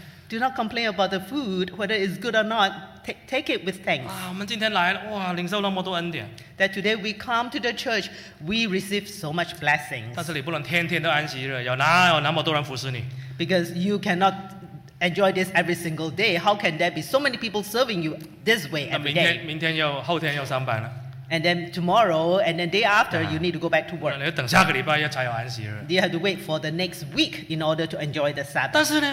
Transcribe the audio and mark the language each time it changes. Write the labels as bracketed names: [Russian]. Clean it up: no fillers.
[English] do not complain about the food, whether it's good or not. Take it with thanks. [Chinese] 我们今天来,哇, [English] that today we come to the church, we receive so much blessings. [Chinese] 但是你不能天天都安息日,有哪有那么多人服侍你? [English] Because you cannot enjoy this every single day. How can there be so many people serving you this way every [Chinese] 那明天, [English] day? [Chinese] 明天又后天又上班了。 [English] And then tomorrow, and then day after, you need to go back to work. [Chinese] 你要等下个礼拜才有安息日。 [English] You have to wait for the next week in order to enjoy the Sabbath.